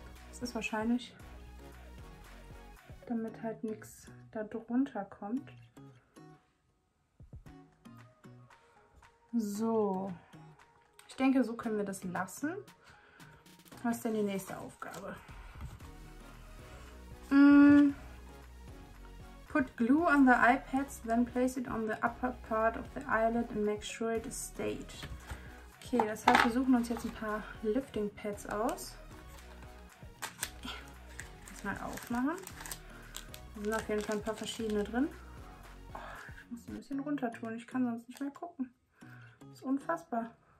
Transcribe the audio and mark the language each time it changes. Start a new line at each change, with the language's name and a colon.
German: Das ist wahrscheinlich, damit halt nichts da drunter kommt. So, ich denke, so können wir das lassen. Was ist denn die nächste Aufgabe?
English: Put glue on the iPads, then place it on the upper part of the eyelid and make sure it stayed.
German: Okay, das heißt, wir suchen uns jetzt ein paar Lifting Pads aus. Das mal aufmachen. Da sind auf jeden Fall ein paar verschiedene drin. Ich muss ein bisschen runter tun, ich kann sonst nicht mehr gucken. Das ist unfassbar.